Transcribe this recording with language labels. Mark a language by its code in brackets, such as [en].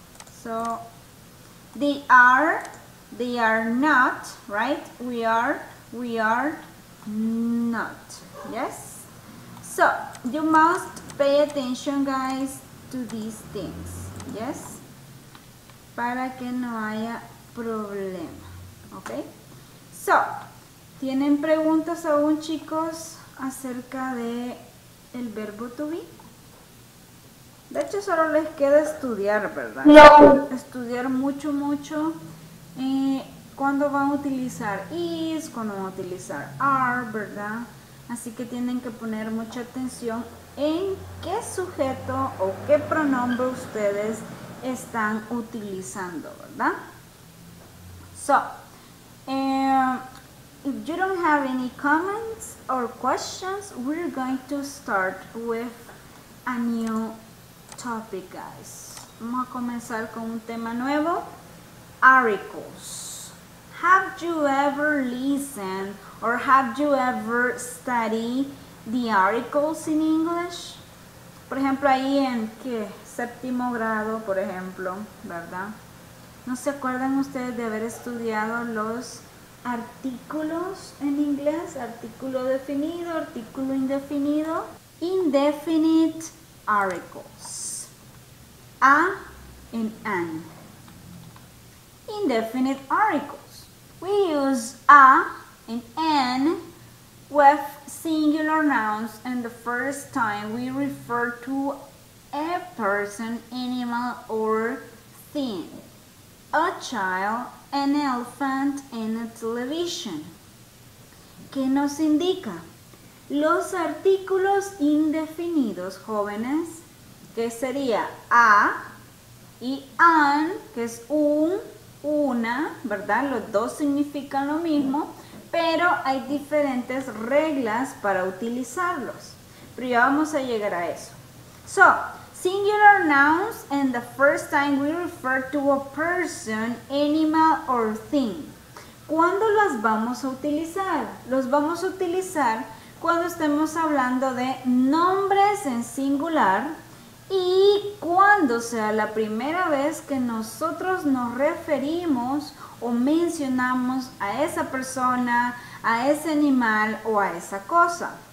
[en] So, they are not, right? We are not, yes? So, you must pay attention, guys, to these things, yes? [es] Para que no haya problema, okay? So, ¿tienen preguntas aún, chicos, acerca de el verbo to be? De hecho, solo les queda estudiar, ¿verdad? No. Estudiar mucho, mucho. ¿Cuándo van a utilizar is? ¿Cuándo van a utilizar are? ¿Verdad? Así que tienen que poner mucha atención en qué sujeto o qué pronombre ustedes están utilizando, ¿verdad? [en] So, if you don't have any comments or questions, we're going to start with a new topic, guys. [es] Vamos a comenzar con un tema nuevo. Articles. [en] Have you ever listened or have you ever studied the articles in English? [es] Por ejemplo, ahí en qué, séptimo grado, por ejemplo, ¿verdad? ¿No se acuerdan ustedes de haber estudiado los artículos en inglés? Artículo definido, artículo indefinido. [en] Indefinite articles. A and an. Indefinite articles. We use a and an with singular nouns and the first time we refer to a person, animal, or thing. a child, an elephant, and a television. [es] ¿Qué nos indica? Los artículos indefinidos, jóvenes, que sería a y an, que es un, una, ¿verdad? Los dos significan lo mismo, pero hay diferentes reglas para utilizarlos. Pero ya vamos a llegar a eso. [en] So, singular nouns and the first time we refer to a person, animal or thing. [es] ¿Cuándo las vamos a utilizar? Los vamos a utilizar cuando estemos hablando de nombres en singular y cuando sea la primera vez que nosotros nos referimos o mencionamos a esa persona, a ese animal o a esa cosa.